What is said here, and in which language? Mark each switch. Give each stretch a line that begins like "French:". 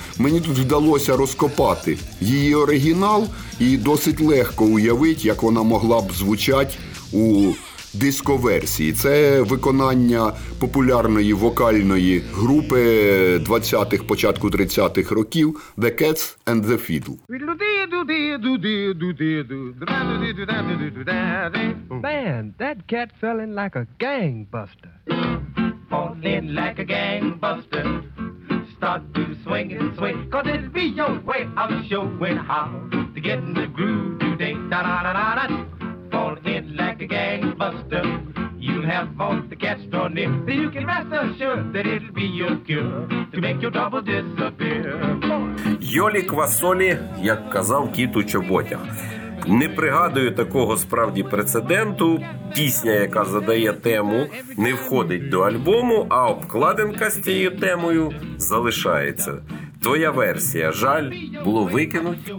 Ukrainian: Мені тут вдалося розкопати її оригінал і досить легко уявити, як вона могла б звучати у диско-версії. Це виконання популярної вокальної групи 20-х, початку 30-х років «The Cats and the Fiddle».
English: Man, that cat fell in like a gangbuster. Fall in like a gangbuster. Start to swing and sway, 'cause it'll be your way of showing how to get in the groove today. Da-da-da-da-da. Fall in like a gangbuster. You have all the cats drawn in, then you can rest assured that it'll be your cure to make your trouble disappear.
Ukrainian: Йолі Квасолі, як казав кіт у чоботях. Не пригадую такого справді прецеденту. Пісня, яка задає тему, не входить до альбому, а обкладинка з тією темою залишається. Твоя версія, жаль було викинути?